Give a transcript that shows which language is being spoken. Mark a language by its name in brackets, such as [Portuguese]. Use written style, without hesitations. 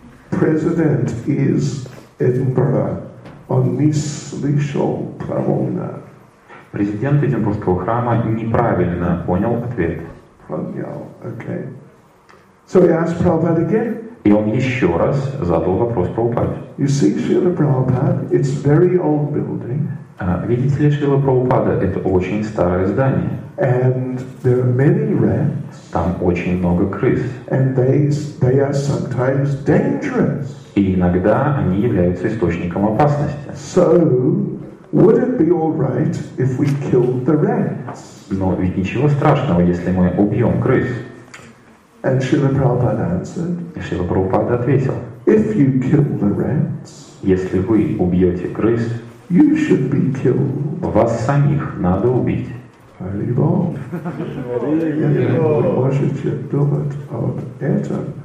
[English] President is Edinburgh. [Russian] Неслышал правильно. Президент Эдинбургского храма неправильно понял ответ. Понял, [English] okay. So he asked Prabhupada again. [Russian] И он еще раз задал вопрос Прабхупаде. [English] You see, Srila Prabhupada, it's very old building. [Russian] Видите ли, Шрила Прабхупада, это очень старое здание. [English] And there are many rats. [Russian] Там очень много крыс. [English] And they are sometimes dangerous. [Russian] И иногда они являются источником опасности. [English] So, would it be all right if we killed the rats? [Russian] Но ведь ничего страшного, если мы убьем крыс. [English] And Srila Prabhupada answered. [Russian] Srila Prabhupada ответил. [English] If you kill the rats, [Russian] если вы убьете крыс, [English] you should be killed. [Russian] Вас самих надо убить. Hare Bol. Hare Bol. Можете думать об этом.